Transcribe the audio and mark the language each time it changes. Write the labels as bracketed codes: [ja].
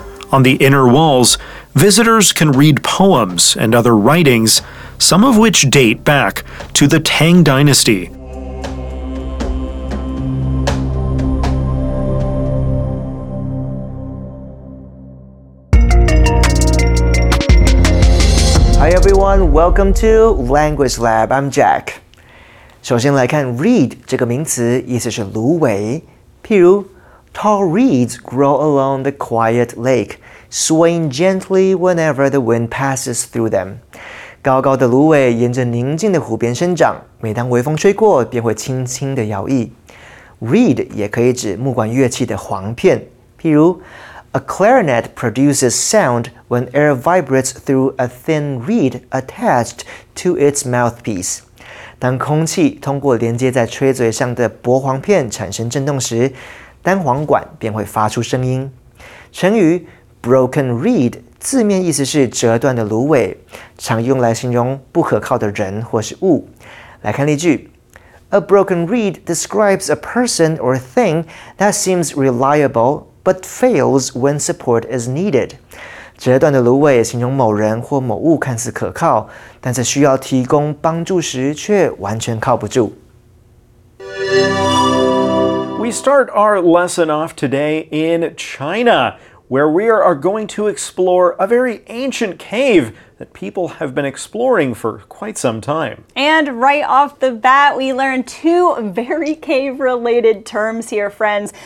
[en] On the inner walls, visitors can read poems and other writings, some of which date back to the Tang Dynasty. Hi everyone, welcome to Language Lab, I'm Jack. [zh] 首先来看 reed 这个名词，意思是芦苇。譬如 [en] tall reeds grow along the quiet lake, swaying gently whenever the wind passes through them. [zh] 高高的芦苇沿着宁静的湖边生长，每当微风吹过便会轻轻的摇曳。 [en] reed [zh] 也可以指木管乐器的簧片，譬如 [en] A clarinet produces sound when air vibrates through a thin reed attached to its mouthpiece. [zh] 当空气通过连接在吹嘴上的薄簧片产生震动时，单簧管便会发出声音。成语 broken reed 字面意思是折断的芦苇，常用来形容不可靠的人或是物。来看例句。 [en] A broken reed describes a person or thing that seems reliable,but fails when support is needed. [zh] 折断的芦苇形容某人或某物看似可靠，但在需要提供帮助时却完全靠不住。 [en] We start our lesson off today in China, where we are going to explore a very ancient cave that people have been exploring for quite some time. And right off the bat, we learn two very cave-related terms here, friends.